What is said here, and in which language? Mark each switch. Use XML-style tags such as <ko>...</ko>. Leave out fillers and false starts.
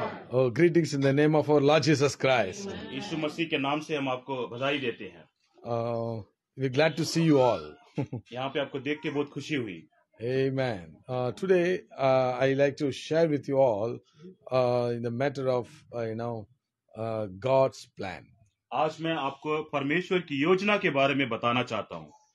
<en>Oh, greetings in the name of our Lord Jesus Christ.</en> <hi>यीशु मसीह के नाम से हम आपको बधाई देते हैं.</hi> <en>We're glad to see you all.</en> <hi>यहाँ पे आपको देख के बहुत खुशी हुई.</hi> <en>Amen. Today, I like to share with you all in the matter of God's plan.</en> <hi>आज मैं आपको परमेश्वर की योजना के बारे में बताना चाहता हूँ.</hi>